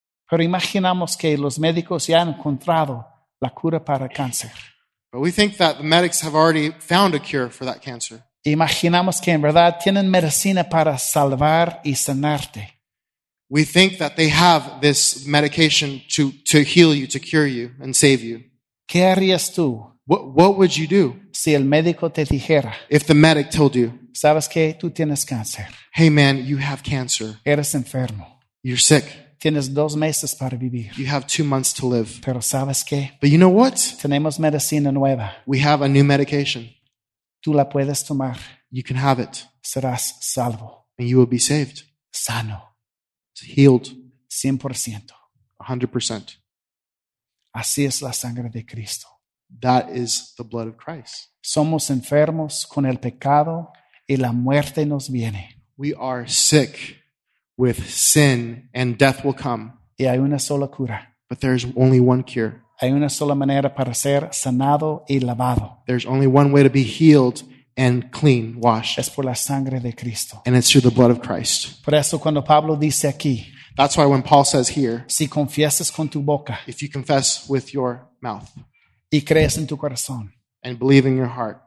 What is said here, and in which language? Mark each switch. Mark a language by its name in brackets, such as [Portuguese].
[Spanish] Pero imaginamos que los médicos ya han encontrado la cura para cáncer. [English] But we think that the medics have already found a cure for that cancer. [Spanish] Imaginamos que en verdad tienen medicina para salvar y sanarte. [English] We think that they have this medication to heal you, to cure you, and save you. [Spanish] ¿Qué harías tú? [English] What would you do? [Spanish] Si el médico te dijera. [English] If the medic told you. [Spanish] ¿Sabes qué? Tú tienes cáncer. [English] Hey man, you have cancer. [Spanish] Eres enfermo. [English] You're sick. [Spanish] Tienes 2 meses para vivir. [English] You have 2 months to live. [Spanish] Pero ¿sabes qué? [English] But you know what? [Spanish] Tenemos medicina nueva. [English] We have a new medication. [Spanish] Tú la puedes tomar. [English] You can have it. [Spanish] Serás salvo. [English] And you will be saved. [Spanish] Sano. [English] Healed. [Spanish] 100%. [English] 100%. [Spanish] Así es la sangre de Cristo. [English] That is the blood of Christ. [Spanish] Somos enfermos con el pecado y la muerte nos viene. [English] We are sick with sin and death will come. [Spanish] Y hay una sola cura. [English] But there is only one cure. [Spanish] Hay una sola manera para ser sanado y lavado. [English] There's only one way to be healed and clean, washed. [Spanish] Es por la sangre de Cristo. [English] And it's through the blood of Christ. [Spanish] Por eso cuando Pablo dice aquí. [English] That's why when Paul says here. [Spanish] Si confiesas con tu boca. [English] If you confess with your mouth. [Spanish] Y crees en tu corazón. [English] And believe in your heart.